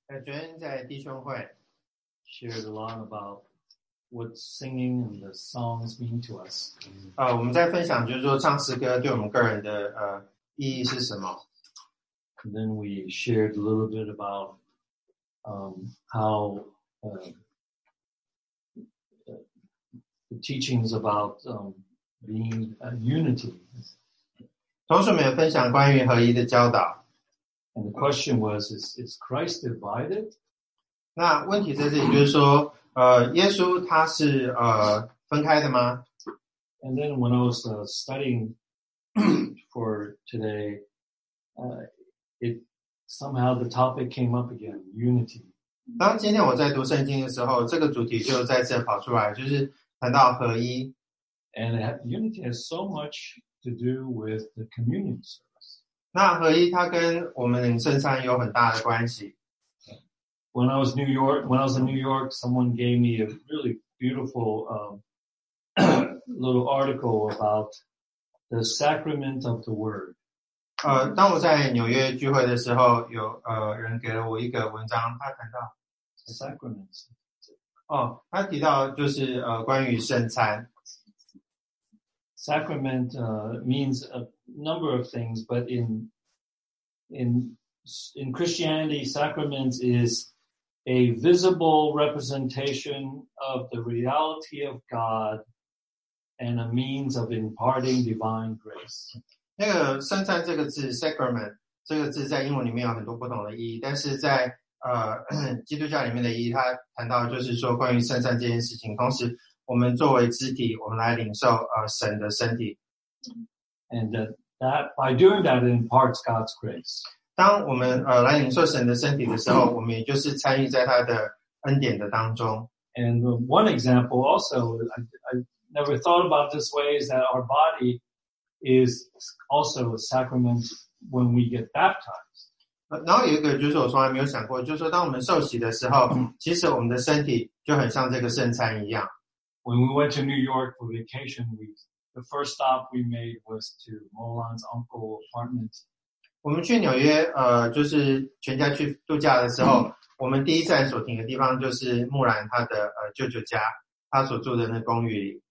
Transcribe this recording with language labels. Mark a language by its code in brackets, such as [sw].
[en] Shared a lot about what singing and the songs mean to us. [zh] 我们在分享就是说唱诗歌对我们个人的意义是什么。 [en] And then we shared a little bit about how the teachings about being a unity. [zh] 同时我们也分享关于合一的教导。 [en] And the question was, is Christ divided? [zh] 那问题在这里就是说耶稣他是分开的吗 [en] ?And then when I was studying for today, it somehow the topic came up again, unity. [zh] 当今天我在读圣经的时候这个主题就再次跑出来就是谈到合一。 [en] And unity has so much to do with the communion service. [zh] 那合一它跟我们圣餐有很大的关系。 [en] When I was in New York, someone gave me a really beautiful little article about the sacrament of the word. [zh] 当我在纽约聚会的时候，有人给了我一个文章，他谈到 [en] sacraments. [zh] 他提到就是关于圣餐。 [en] Sacrament means a number of things, but in Christianity, sacraments is a visible representation of the reality of God and a means of imparting divine grace. [zh] 那个圣餐这个字 sacrament 这个字在英文里面有很多不同的意义但是在基督教里面的意义它谈到就是说关于圣餐这件事情同时我们作为肢体我们来领受神的身体。 [en] And that by doing that it imparts God's grace. [zh] 当我们来领受神的身体的时候，我们也就是参与在他的恩典的当中。 [en] And one example also, I never thought about this way, is that our body is also a sacrament when we get baptized. [zh] 然后有一个就是我从来没有想过，就是说当我们受洗的时候，其实我们的身体就很像这个圣餐一样。 [en] When we went to New York for vacation, the first stop we made was to Molan's uncle's apartment. [zh] 我们去纽约就是全家去度假的时候我们第一站所停的地方就是穆兰他的舅舅家他所住的那公寓里。